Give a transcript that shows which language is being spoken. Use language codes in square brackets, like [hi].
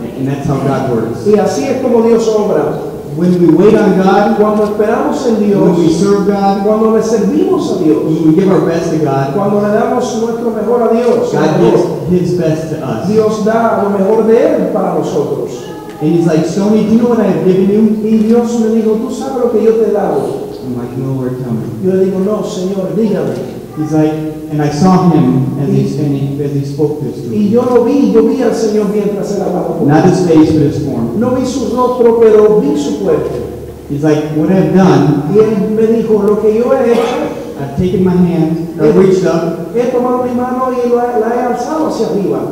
[en] And that's how God works. [es] Y así es como Dios obra. [en] When we wait on God, [es] cuando esperamos en Dios, [en] when we serve God, [es] cuando le servimos a Dios, [en] when we give our best to God, [es] cuando le damos nuestro mejor a Dios, [en] God gives His best to us. [es] Dios da lo mejor de Él para nosotros. [en] And He's like, Stoney, do you know what I have given you? [es] Y Dios me dijo, ¿tú sabes lo que yo te he dado? [en] I'm like, no, Lord, tell me. [es] Yo le digo, no, Señor, dígame. [en] He's like, and I saw him as he spoke this to me. [es] Y yo vi al Señor mientras él hablaba. [en] Not his face, but his form. [es] No vi su rostro, pero vi su cuerpo. [en] He's like, what I've done. [es] Y él me dijo, lo que yo he hecho. [en] I've taken my hand, I reached up. [es] He tomado mi mano y la he alzado hacia arriba.